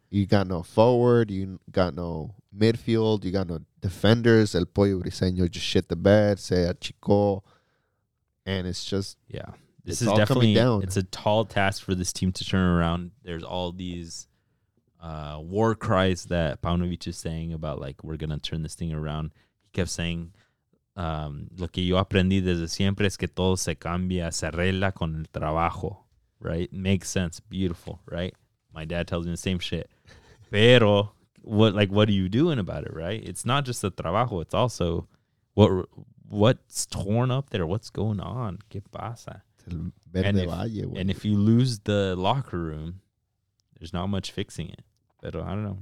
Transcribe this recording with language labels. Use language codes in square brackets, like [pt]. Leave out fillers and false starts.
[en] You got no forward, you got no midfield, you got no defenders. El Pollo Briseño just shit the bed, [es] se achicó, [en] and it's just, yeah, this is definitely down. It's a tall task for this team to turn around. There's all these war cries that Paunovic is saying about, like, we're going to turn this thing around. He kept saying, [es] lo que yo aprendí desde siempre es que todo se cambia, se arregla con el trabajo, [en] right? Makes sense. Beautiful, right? My dad tells me the same shit. [es] Pero, [en] what are you doing about it, right? It's not just the trabajo. It's also what's torn up there. What's going on? [es] ¿Qué pasa? [en] And if you lose the locker room, there's not much fixing it. But I don't know.